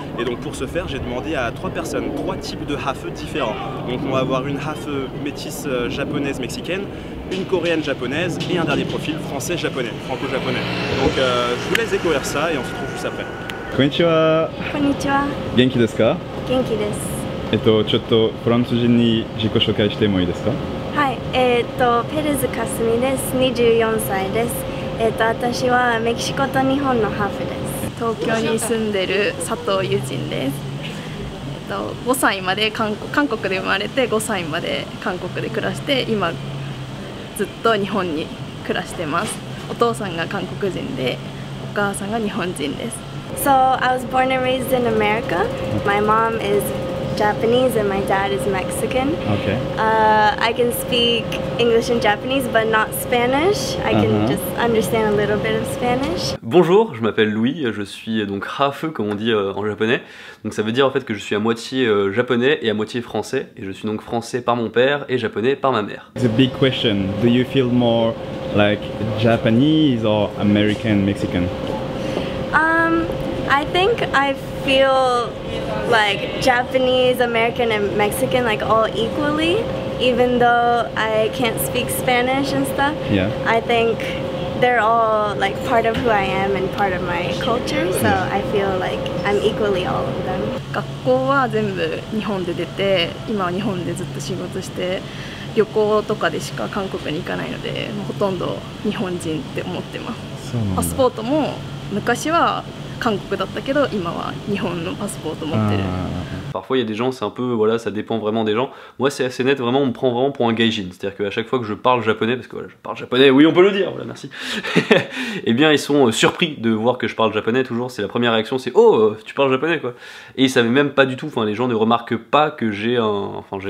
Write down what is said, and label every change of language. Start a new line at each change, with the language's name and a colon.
French: Et donc pour ce faire j'ai demandé à trois personnes, trois types de half différents. Donc on va avoir une half métisse japonaise mexicaine, une coréenne japonaise et un dernier profil français japonais, franco-japonais. Donc je vous laisse découvrir ça et on se retrouve juste après.
Japanese: Konnichiwa. Konnichiwa. Genki desu ka? Genki desu. ちょっとフランス人に自己紹介してもいいですか？はい、ペルズ・カスミです。24歳です。私はメキシコと日本のハーフです。東京に住んでる佐藤友人です。5歳まで韓国で生まれて、5歳まで韓国で暮らして、今ずっと日本に暮らしてます。お父さんが韓国人で、お母さんが日本人です。
English: So I was born and raised in America. My mom isJapanese and my dad is Mexican. Okay. I can speak English and Japanese, but not Spanish. I can just understand a little bit of Spanish.
French: Bonjour, je m'appelle Louis. Je suis donc half, comme on dit en japonais. Donc ça veut dire en fait que je suis à moitié japonais et à moitié français. Et je suis donc français par mon père et japonais par ma mère.
English: The big question: do you feel more like Japanese or American Mexican? I think I feel like Japanese, American, and Mexican, like all equally, even though I can't speak Spanish and stuff. Yeah. I think they're all like part of who I am and part of my culture, so I feel like I'm equally all of them.
Japanese: 学校は全部日本で出て、今は日本でずっと仕事して、旅行とかでしか韓国に行かないので、ほとんど日本人って思ってます。パスポートも昔は韓国だったけど、今は日本のパスポート持ってる。
French: Parfois il y a des gens, c'est un peu, voilà, ça dépend vraiment des gens. Moi c'est assez net, vraiment on me prend vraiment pour un gaijin. C'est-à-dire qu'à chaque fois que je parle japonais, parce que voilà, je parle japonais, oui on peut le dire, voilà, merci. Et bien ils sont surpris de voir que je parle japonais toujours. C'est la première réaction, c'est « Oh, tu parles japonais quoi !» Et ils savaient même pas du tout, enfin les gens ne remarquent pas que j'ai un...